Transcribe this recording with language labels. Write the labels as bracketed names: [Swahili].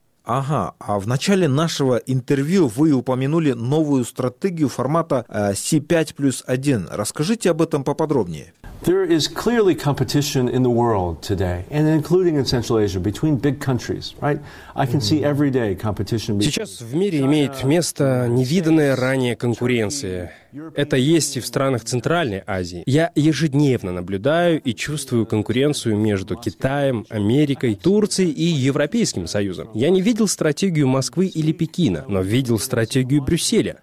[Russian] Ага, а в начале нашего интервью вы упомянули новую стратегию формата C5+1. Расскажите об этом поподробнее. [English] There is clearly competition in the world today, and including in Central Asia, between big countries, right? I can see every day competition. [Russian] Сейчас в мире имеет место невиданная ранее конкуренция. Это есть и в странах Центральной Азии. Я ежедневно наблюдаю и чувствую конкуренцию между Китаем, Америкой, Турцией и Европейским Союзом. Я не видел стратегию Москвы или Пекина, но видел стратегию Брюсселя.